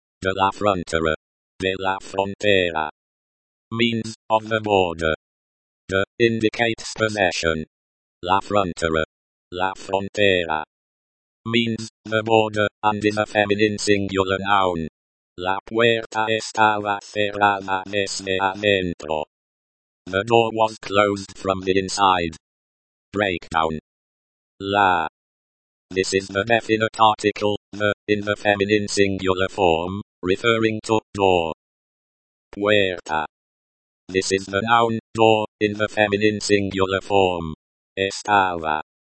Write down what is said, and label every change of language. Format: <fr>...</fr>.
<es>De la frontera. De la frontera.</es> <en>Means of the border.</en> <es>De</es> <en>indicates possession.</en> <es>La frontera. La frontera.</es> <en>Means the border, and is a feminine singular noun.</en> <es>La puerta estaba cerrada desde adentro.</es> <en>The door was closed from the inside. Breakdown. La. This is the definite article, the, in the feminine singular form, referring to door. Puerta. This is the noun, door, in the feminine singular form. Estaba.</en>